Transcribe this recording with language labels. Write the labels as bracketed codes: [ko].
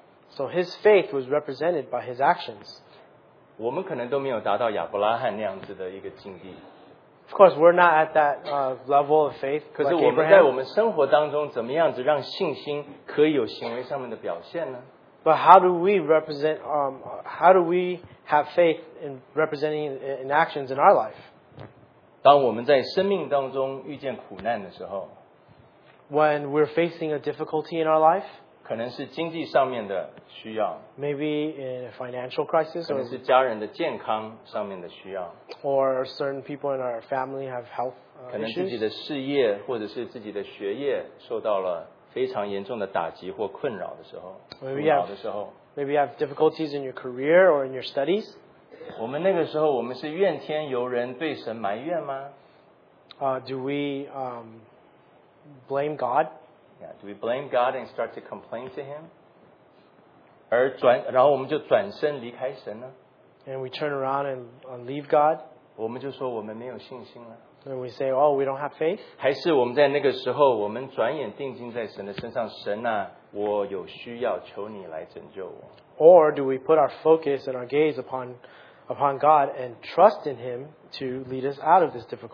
[en] So his faith was represented by his actions. Of course, we're not at that level of faith like Abraham. But how do we represent, how do we have faith in representing in actions in our life? [zh] 当我们在生命当中遇见苦难的时候, [en] when we're facing a difficulty in our life, [zh] 可能是经济上面的需要, [en] maybe in a financial crisis, [zh] 可能是家人的健康上面的需要, [en] or certain people in our family have health issues, [zh] 可能自己的事业或者是自己的学业受到了非常严重的打击或困扰的时候, [en] maybe you have difficulties in your career or in your studies. [zh] 我们那个时候我们是怨天尤人对神埋怨吗? [en] Do we blame God? Yeah, do we blame God and start to complain to Him? [zh] 然后我们就转身离开神呢? [en] And we turn around and leave God? [zh] 我们就说我们没有信心了。 [en] And we say, oh, we don't have faith? [zh] 还是我们在那个时候我们转眼定睛在神的身上,神啊, 我有需要求你来拯救我。 [en] Or do we put our focus and our gaze upon God and trust in Him to lead us out of this difficulty?